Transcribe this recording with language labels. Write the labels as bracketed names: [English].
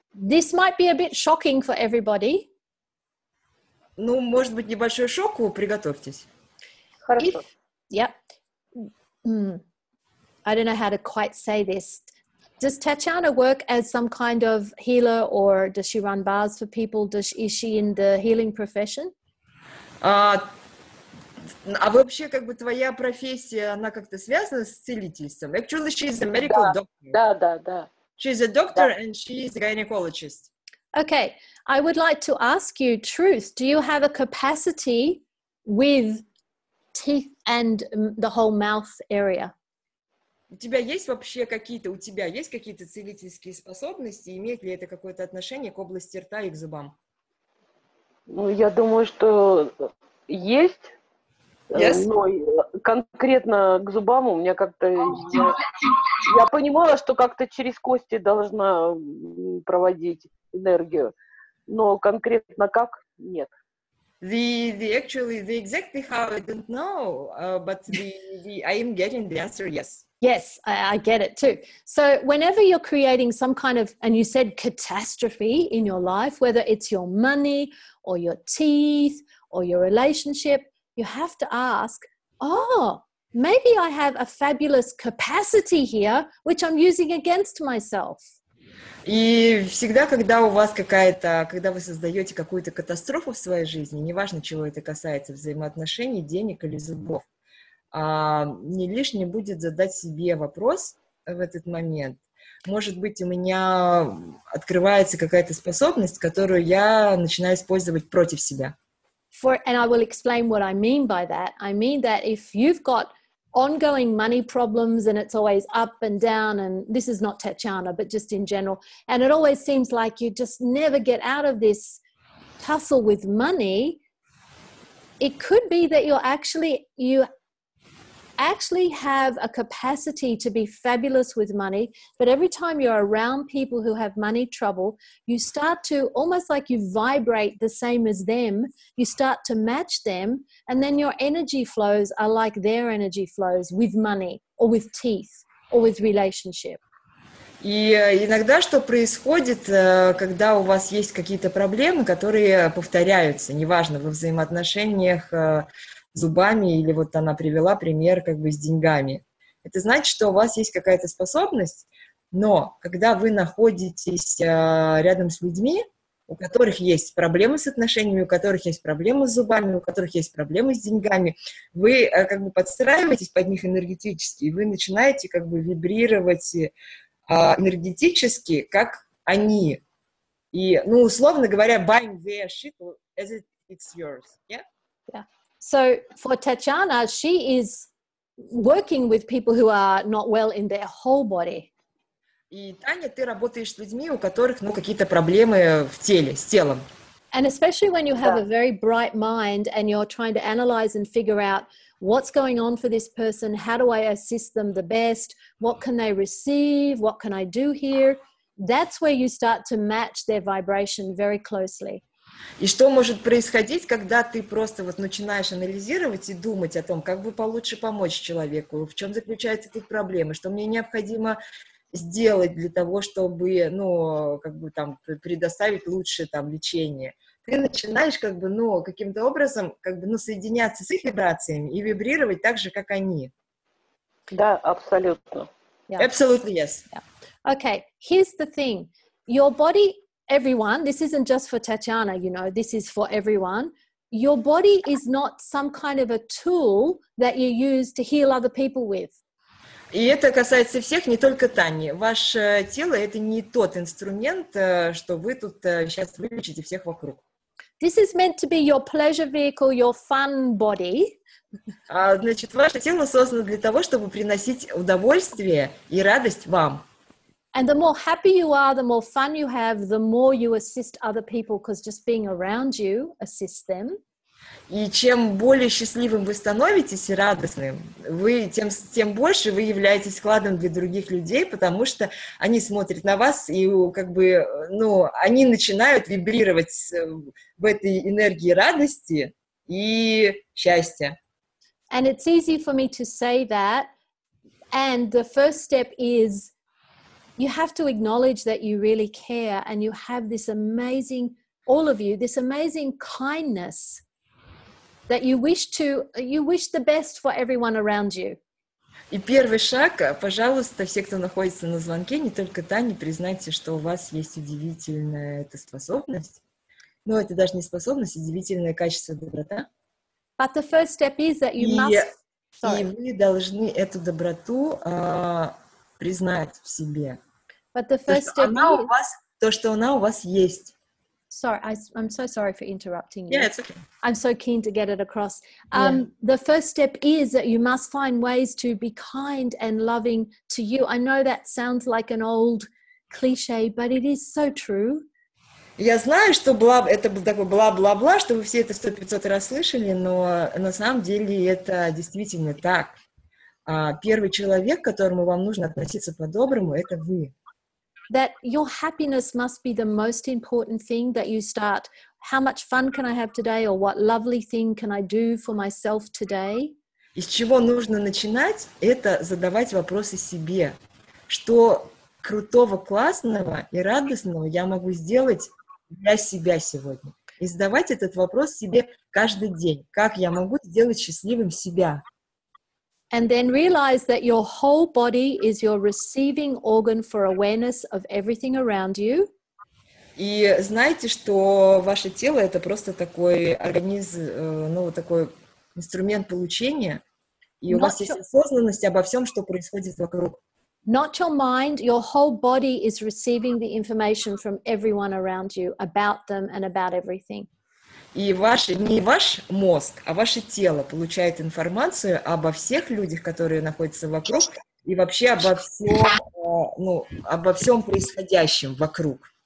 [English] This might be a bit shocking for everybody. [Russian] Ну, может быть, небольшой шок, приготовьтесь. Хорошо. [English] I don't know how to quite say this. Does Tatiana work as some kind of healer, or does she run baths for people? Is she in the healing profession? [Russian] А вообще, как бы твоя профессия, она как-то связана с целительством? [English] Actually, she's a medical doctor. [Russian] Да, да, да. [English] She's a doctor and she's a gynecologist. Okay, I would like to ask you, Truth, do you have a capacity with teeth and the whole mouth area? [Russian] У тебя есть вообще какие-то, у тебя есть какие-то целительские способности? Имеет ли это какое-то отношение к области рта и к зубам? Ну, я думаю, что есть. [English] Yes. [Russian] Но конкретно к зубам у меня как-то... Я понимала, что как-то через кости должна проводить энергию, но конкретно как — нет. [English] The exactly how I don't know, but the I am getting the answer, yes. Yes, I get it too. So whenever you're creating some kind of, and you said catastrophe in your life, whether it's your money or your teeth or your relationship, you have to ask, oh, maybe I have a fabulous capacity here, which I'm using against myself. [Russian] И всегда, когда у вас какая-то, когда вы создаете какую-то катастрофу в своей жизни, неважно, чего это касается, взаимоотношений, денег или зубов, не лишним будет задать себе вопрос в этот момент. Может быть, у меня открывается какая-то способность, которую я начинаю использовать против себя. [English] And I will explain what I mean by that. I mean that if you've got ongoing money problems and it's always up and down, and this is not Tatiana, but just in general, and it always seems like you just never get out of this tussle with money, it could be that you actually have a capacity to be fabulous with money, but every time you're around people who have money trouble, you start to, almost like you vibrate the same as them, you start to match them, and then your energy flows are like their energy flows with money, or with teeth, or with relationship. [Russian] И иногда что происходит, когда у вас есть какие-то проблемы, которые повторяются, неважно, во взаимоотношениях, зубами, или вот она привела пример как бы с деньгами. Это значит, что у вас есть какая-то способность, но когда вы находитесь рядом с людьми, у которых есть проблемы с отношениями, у которых есть проблемы с зубами, у которых есть проблемы с деньгами, вы как бы подстраиваетесь под них энергетически, и вы начинаете как бы вибрировать энергетически, как они. И, ну, условно говоря, [English] buying their shit as if it's yours. Yeah? Yeah. So for Tatiana, she is working with people who are not well in their whole body. [Russian] И Таня, ты работаешь с людьми, у которых, ну, какие-то проблемы в теле, с телом. [English] And especially when you have a very bright mind and you're trying to analyze and figure out what's going on for this person, how do I assist them the best, what can they receive, what can I do here, that's where you start to match their vibration very closely. [Russian] И что может происходить, когда ты просто вот начинаешь анализировать и думать о том, как бы получше помочь человеку, в чем заключаются эти проблемы, что мне необходимо сделать для того, чтобы, ну, как бы там предоставить лучшее там лечение. Ты начинаешь как бы, ну, каким-то образом, как бы, ну, соединяться с их вибрациями и вибрировать так же, как они. Да, абсолютно. [English] Absolutely, yes. Yeah. Okay, here's the thing. Your body... Everyone, this isn't just for Tatiana, you know, this is for everyone. Your body is not some kind of a tool that you use to heal other people with. [Russian] И это касается всех, не только Тани. Ваше тело — это не тот инструмент, что вы тут сейчас вылечите всех вокруг. [English] This is meant to be your pleasure vehicle, your fun body. [Russian] Значит, ваше тело создано для того, чтобы приносить удовольствие и радость вам. [English] And the more happy you are, the more fun you have, the more you assist other people, because just being around you assists them. [Russian] И чем более счастливым вы становитесь и радостным, вы тем больше вы являетесь вкладом для других людей, потому что они смотрят на вас, и как бы, ну, они начинают вибрировать в этой энергии радости и счастья. [English] And it's easy for me to say that. And the first step is you have to acknowledge that you really care and you have this amazing, all of you, this amazing kindness. That you wish the best for everyone around you. [Russian] И первый шаг, пожалуйста, все, кто находится на звонке, не только Таня, признайте, что у вас есть удивительная эта способность. Ну, это даже не способность, а удивительное качество доброта. [English] But the first step is that you must. [Russian] И вы должны эту доброту признать в себе. [English] But the first step is. [Russian] То, что она у вас есть. [English] Sorry, I'm so sorry for interrupting you. Yeah, it's okay. I'm so keen to get it across. The first step is that you must find ways to be kind and loving to you. I know that sounds like an old cliche, but it is so true. [Russian] Я знаю, что это был такой бла-бла-бла, что вы все это 100-500 раз слышали, но на самом деле это действительно так. Первый человек, к которому вам нужно относиться по-доброму, это вы. [English] That your happiness must be the most important thing that you start. How much fun can I have today? Or what lovely thing can I do for myself today? [Russian] Из чего нужно начинать, это задавать вопросы себе. Что крутого, классного и радостного я могу сделать для себя сегодня? И задавать этот вопрос себе каждый день. Как я могу сделать счастливым себя? [English] And then realize that your whole body is your receiving organ for awareness of everything around you. [Russian] И знаете, что ваше тело это просто такой организм, ну вот такой инструмент получения, и у вас есть осознанность обо всем, что происходит вокруг. [English] Not your mind, your whole body is receiving the information from everyone around you about them and about everything. [Russian] И не ваш мозг, а ваше тело получает информацию обо всех людях, которые находятся вокруг, и вообще обо всем происходящем вокруг.